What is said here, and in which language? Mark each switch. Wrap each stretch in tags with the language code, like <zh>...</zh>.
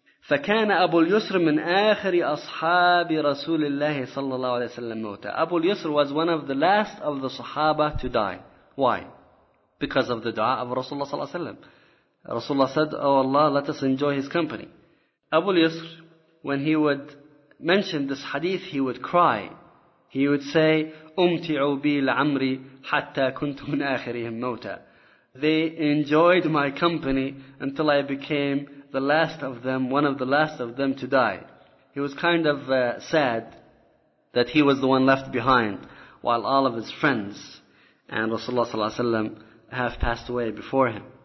<ar>فَكَانَ أَبُو الْيُسْرِ مِنْ آخِرِ أَصْحَابِ رَسُولِ اللَّهِ صَلَّى اللَّهُ عَلَيْهِ وَسَلَّمَ مَوْتَى.</ar> <en>Abu al-Yusr was one of the last of the Sahaba to die. Why? Because of the dua of Rasulullah sallallahu alayhi wa sallam. Rasulullah said, Oh Allah, let us enjoy his company. Abu al-Yusr, when he would mention this hadith, he would cry. He would say,</en> <ar>أُمْتِعُوا بِي الْعَمْرِ حَتَّى كُنْتُ مِنْ آخِرِهِمْ مَوْتَى.</ar> <en>They enjoyed my company until I became the last of them, one of the last of them to die. He was kind of sad that he was the one left behind while all of his friends and Rasulullah sallallahu alayhi wa sallam have passed away before him.</en>